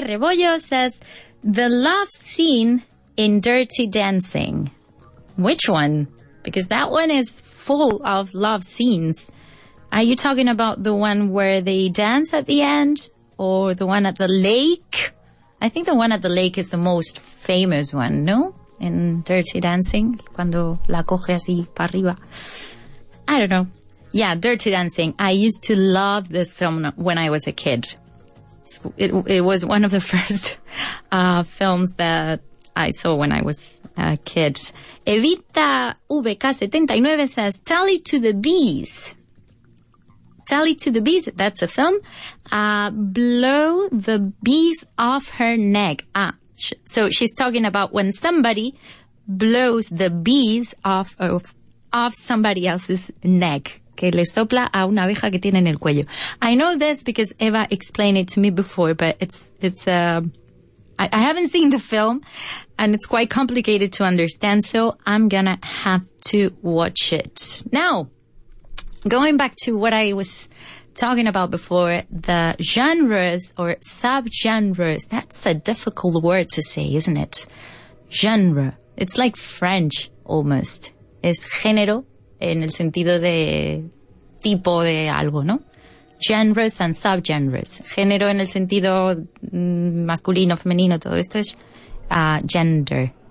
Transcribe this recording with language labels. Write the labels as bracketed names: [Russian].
[English] Rebollo says, the love scene in Dirty Dancing. Which one? Because that one is full of love scenes. Are you talking about the one where they dance at the end? Or the one at the lake? I think the one at the lake is the most famous one, no? [Spanish] In Dirty Dancing, cuando la coge así para arriba. [English] I don't know. Yeah, Dirty Dancing. I used to love this film when I was a kid. It was one of the first films that I saw when I was a kid. Evita VK79 says, Tally to the Bees. Tally to the Bees, that's a film. Blow the Bees Off Her Neck. So she's talking about when somebody blows the bees off somebody else's neck. [Spanish] Que le sopla a una abeja que tiene en el cuello. [English] I know this because Eva explained it to me before, but I haven't seen the film and it's quite complicated to understand. So I'm going to have to watch it. Now, going back to what I was talking about before, the genres or subgenres, that's a difficult word to say, isn't it? Genre. It's like French almost. [Spanish] Es género en el sentido de tipo de algo, ¿no? [English] Genres and subgenres. [Spanish] Género en el sentido masculino, femenino, todo esto es gender.